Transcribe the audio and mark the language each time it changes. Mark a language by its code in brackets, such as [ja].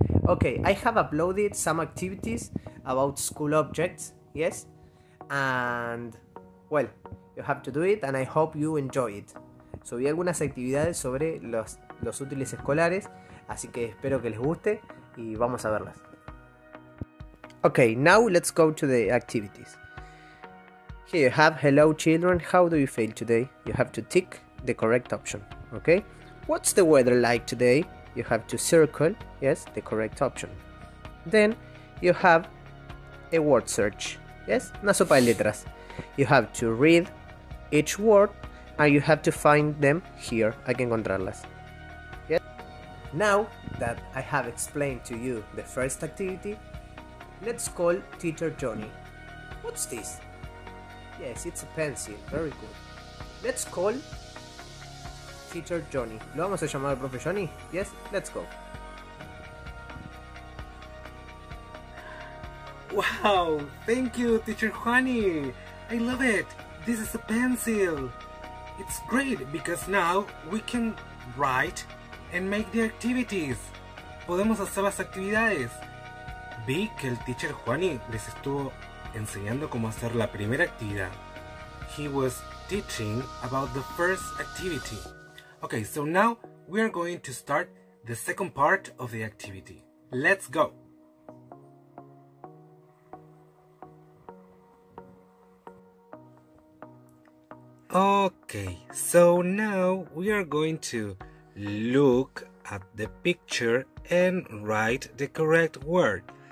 [en] Okay, I have uploaded some activities about school objects, yes? And, well, you have to do it and I hope you enjoy it. [es] Subí algunas actividades sobre los útiles escolares, así que espero que les guste y vamos a verlas. [en] Okay, now let's go to the activities. Here you have, hello children, how do you feel today? You have to tick the correct option, okay? What's the weather like today? You have to circle, yes, the correct option. Then you have a word search, yes, [es] una sopa de letras. [en] You have to read each word and you have to find them here, [es] hay que encontrarlas. [en] Yes. Now that I have explained to you the first activity, let's call teacher Johnny. What's this? Yes, it's a pencil, very good. Let's call teacher Johnny. [es] ¿Lo vamos a llamar al profe Johnny? [en] Yes, let's go. Wow, thank you, teacher Johnny. I love it. This is a pencil. It's great because now we can write and make the activities. [es] Podemos hacer las actividades. Vi que el teacher Johnny les estuvo enseñando cómo hacer la primera actividad. [en] He was teaching about the first activity. Okay, so now we are going to start the second part of the activity. Let's go! Okay, so now we are going to look at the picture and write the correct word.